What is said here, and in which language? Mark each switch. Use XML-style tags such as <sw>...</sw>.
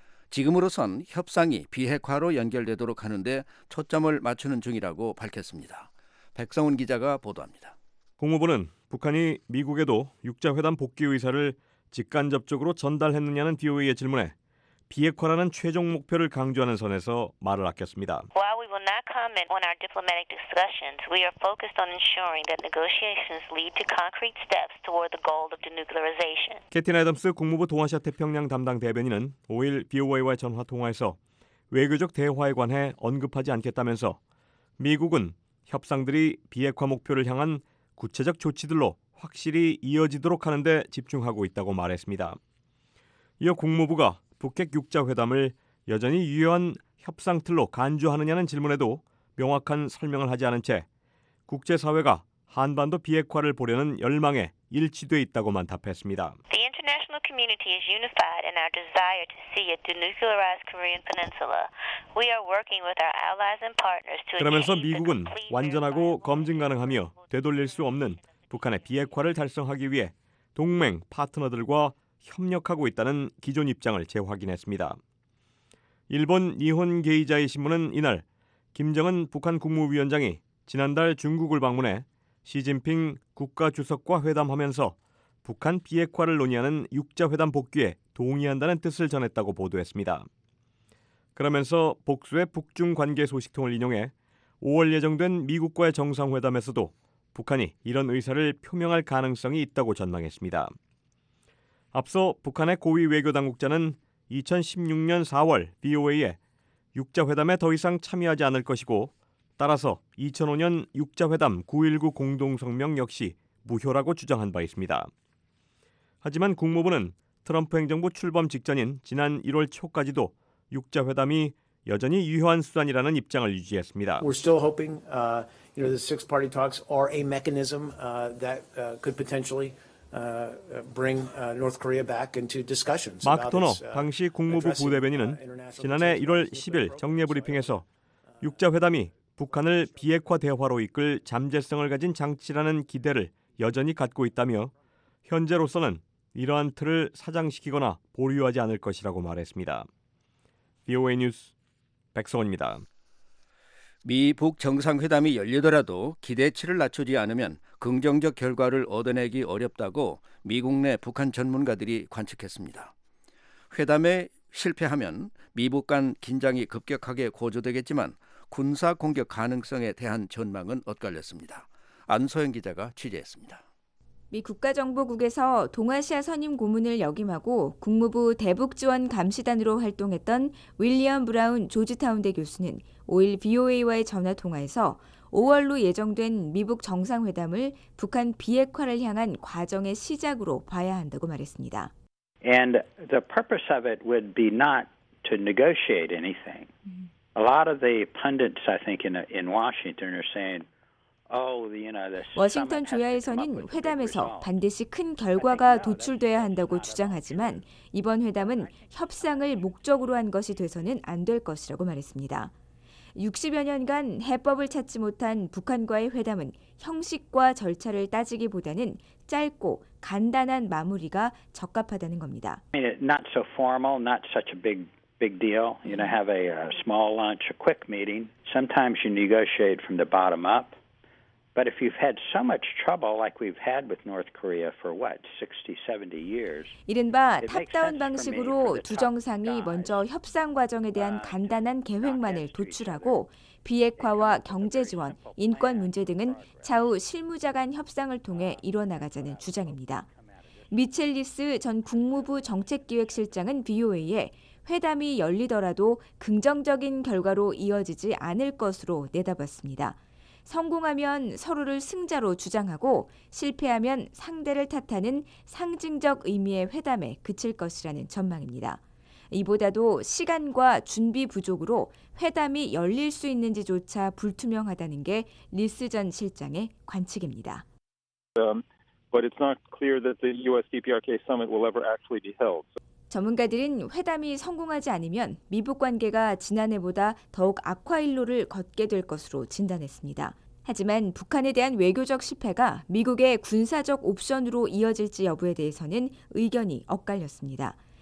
<ko>지금으로선 협상이 비핵화로 연결되도록 하는데 초점을 맞추는 중이라고 밝혔습니다. 백성훈 기자가 보도합니다. 국무부는 북한이 미국에도 6자회담 복귀 의사를 직간접적으로 전달했느냐는 DOA의 질문에 비핵화라는 최종 목표를 강조하는 선에서 말을 아꼈습니다.</ko> <en>While we will not comment on our diplomatic discussions, we are focused on ensuring that negotiations lead to concrete steps toward the goal of denuclearization.</en> <ko>캐티 애덤스 국무부 동아시아 태평양 담당 대변인은 5일 BOA와의 전화 통화에서 외교적 대화에 관해 언급하지 않겠다면서 미국은 협상들이 비핵화 목표를 향한 구체적 조치들로 확실히 이어지도록 하는 데 집중하고 있다고 말했습니다. 이어 국무부가 북핵 6자회담을 여전히 유효한 협상 틀로 간주하느냐는 질문에도 명확한 설명을 하지 않은 채 국제사회가 한반도 비핵화를 보려는 열망에 일치돼 있다고만 답했습니다.</ko> <en>The international community is unified in our desire to see a denuclearized Korean peninsula. We are working with our allies and partners to.</en> <ko>그러면서 미국은 완전하고 검증 가능하며 되돌릴 수 없는 북한의 비핵화를 달성하기 위해 동맹 파트너들과 협력하고 있다는 기존 입장을 재확인했습니다. 일본 니혼 게이자이 신문은 이날 김정은 북한 국무위원장이 지난달 중국을 방문해 시진핑 국가주석과 회담하면서 북한 비핵화를 논의하는 6자회담 복귀에 동의한다는 뜻을 전했다고 보도했습니다. 그러면서 복수의 북중 관계 소식통을 인용해 5월 예정된 미국과의 정상회담에서도 북한이 이런 의사를 표명할 가능성이 있다고 전망했습니다. 앞서 북한의 고위 외교당국자는 2016년 4월 BOA에 6자회담에 더 이상 참여하지 않을 것이고 따라서 2005년 6자회담 9.19 공동성명 역시 무효라고 주장한 바 있습니다. 하지만 국무부는 트럼프 행정부 출범 직전인 지난 1월 초까지도 6자회담이 여전히 유효한 수단이라는 입장을 유지했습니다.</ko> <en>We're still hoping, you know, the six-party talks are a mechanism that could potentially bring North Korea back into discussions.</en> <ko>마크 토너 당시 국무부 부대변인은 지난해 1월 10일 정례 브리핑에서 6자회담이 북한을 비핵화 대화로 이끌 잠재성을 가진 장치라는 기대를 여전히 갖고 있다며 현재로서는 이러한 틀을 사장시키거나 보류하지 않을 것이라고 말했습니다. VOA 뉴스 백성원입니다. 미북 정상회담이 열리더라도 기대치를 낮추지 않으면 긍정적 결과를 얻어내기 어렵다고 미국 내 북한 전문가들이 관측했습니다. 회담에 실패하면 미북 간 긴장이 급격하게 고조되겠지만 군사 공격 가능성에 대한 전망은 엇갈렸습니다. 안소영 기자가 취재했습니다. 미 국가정보국에서 동아시아 선임 고문을 역임하고 국무부 대북지원감시단으로 활동했던 윌리엄 브라운 조지타운대 교수는 5일 VOA와의 전화통화에서 5월로 예정된 미북 정상회담을 북한 비핵화를 향한 과정의 시작으로 봐야 한다고 말했습니다.</ko> <en>And the purpose of it would be not to negotiate anything. A lot of the pundits, I think, in Washington are saying, "Oh, you know, this."</en> <ko>워싱턴 주야에서는 회담에서 반드시 큰 결과가 도출돼야 한다고 주장하지만 이번 회담은 협상을 목적으로 한 것이 돼서는 안 될 것이라고 말했습니다. 60여 년간 해법을 찾지 못한 북한과의 회담은 형식과 절차를 따지기보다는 짧고 간단한 마무리가 적합하다는 겁니다.</ko> <en>Not so formal, not such a big deal. You know, have a small lunch, a quick meeting. Sometimes you negotiate from the bottom up. But if you've had so much trouble like we've had with North Korea for what, 60, 70 years.</en> <ko>이른바 탑다운 방식으로 두 정상이 먼저 협상 과정에 대한 간단한 계획만을 도출하고 비핵화와 경제 지원, 인권 문제 등은 차후 실무자 간 협상을 통해 이뤄나가자는 주장입니다. 미첼 리스 전 국무부 정책기획실장은 VOA에 회담이 열리더라도 긍정적인 결과로 이어지지 않을 것으로 내다봤습니다. 성공하면 서로를 승자로 주장하고 실패하면 상대를 탓하는 상징적 의미의 회담에 그칠 것이라는 전망입니다. 이보다도 시간과 준비 부족으로 회담이 열릴 수 있는지조차 불투명하다는 게 리스 전 실장의 관측입니다.</ko> <en>But it's not clear that the US-DPRK summit will ever actually be held.</en> <ko>전문가들은 회담이 성공하지 않으면 미북 관계가 지난해보다 더욱 악화 일로를 걷게 될 것으로 진단했습니다. 하지만 북한에 대한 외교적 실패가 미국의 군사적 옵션으로 이어질지 여부에 대해서는 의견이 엇갈렸습니다.</ko>